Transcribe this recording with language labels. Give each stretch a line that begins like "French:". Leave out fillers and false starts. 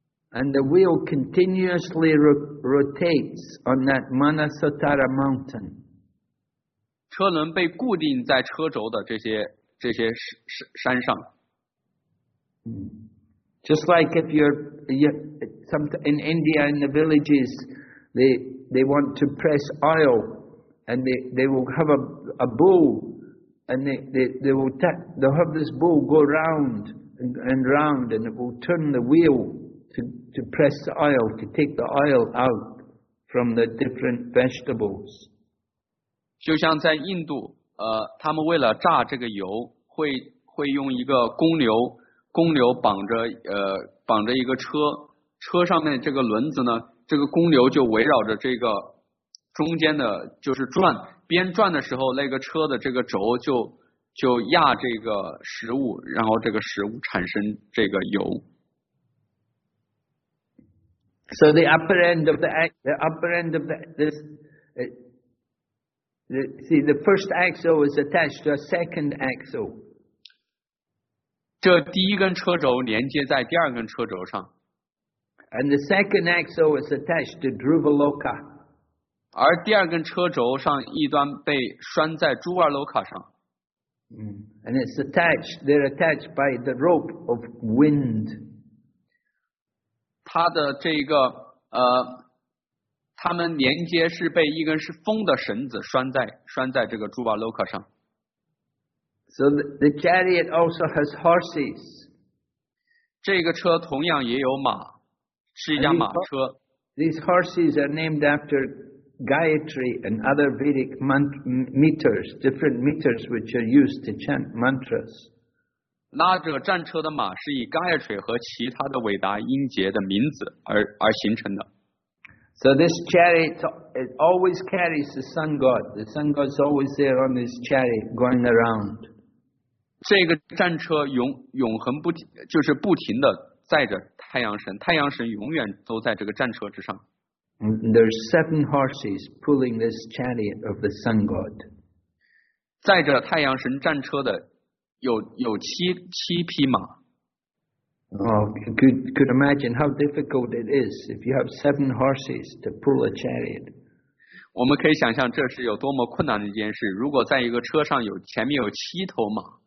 English: And the wheel continuously rotates on that Manasatara Mountain.
Chinese: 车轮被固定在车轴的这些山上。
English: Just like if in India in the villages, they want to press oil, and they will have a bull, and they'll have this bull go round and round, and it will turn the wheel to press the oil, to take the oil out from the different vegetables.
Chinese: 就像在印度，他们为了榨这个油，会用一个公牛绑着一个车，车上面这个轮子呢，这个公牛就围绕着这个中间的，就是转，边转的时候，那个车的这个轴就压这个食物，然后这个食物产生这个油。
English: So the upper end of the upper end of this, the first axle is attached to a second axle.
Chinese: 这第一根车轴连接在第二根车轴上。
English: And the second axle is attached to Dhruva Loka.
Chinese: 而第二根车轴上一端被拴在朱瓦洛卡上。
English: And it's attached, they're attached by the rope of wind.
Chinese: 它的这个它们连接是被一根是风的绳子拴在这个朱瓦洛卡上。
English: So the chariot also has horses.
Chinese: 这个车同样也有马，是一辆马车。
English: These horses are named after Gayatri and other Vedic meters, different meters which are used to chant mantras.
Chinese: 拉着战车的马是以 Gayatri 和其他的伟达音节的名字而形成的。
English: So this chariot, it always carries the sun god. The sun god is always there on this chariot going around.
Chinese: 这个战车永恒不停，就是不停的载着太阳神，太阳神永远都在这个战车之上。
English: There's seven horses pulling this chariot of the sun god.
Chinese: 载着太阳神战车的有七匹马。
English: Oh, you could imagine how difficult it is if you have seven horses to pull a chariot.
Chinese: 我们可以想象这是有多么困难的一件事，如果在一个车上有前面有七头马。